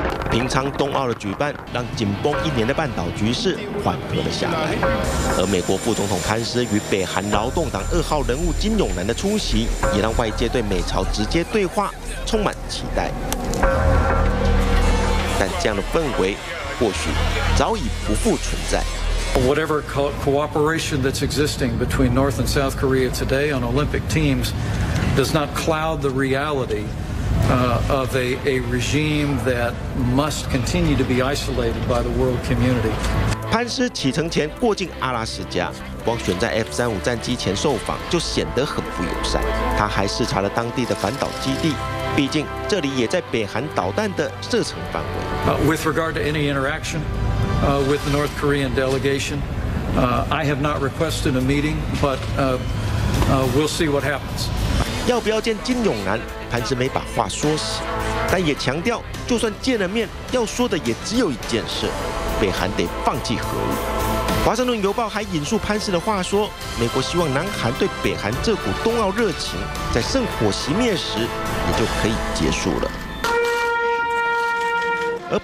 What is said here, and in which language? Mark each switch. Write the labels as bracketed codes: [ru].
[zh] 平昌冬奥的举办让紧绷一年的半岛局势缓和了下来，而美国副总统潘斯与北韩劳动党二号人物金永男的出席，也让外界对美朝直接对话充满期待。但这样的氛围或许早已不复存在。 [en] Whatever cooperation that's existing between North and South Korea today on Olympic teams does not cloud the reality. Of a regime that must continue to be isolated by the world community. [zh] 潘斯启程前过境阿拉斯加，光选在 F-35 战机前受访就显得很不友善。他还视察了当地的反导基地，毕竟这里也在北韩导弹的射程范围。 [en] With regard to any interaction with the North Korean delegation, I have not requested a meeting, but we'll see what happens. [zh] 要不要见金永南？韩志梅把话说死，但也强调，就算见了面，要说的也只有一件事：北韩得放弃核武。华盛顿邮报还引述潘斯的话说，美国希望南韩对北韩这股冬奥热情在圣火熄灭时也就可以结束了。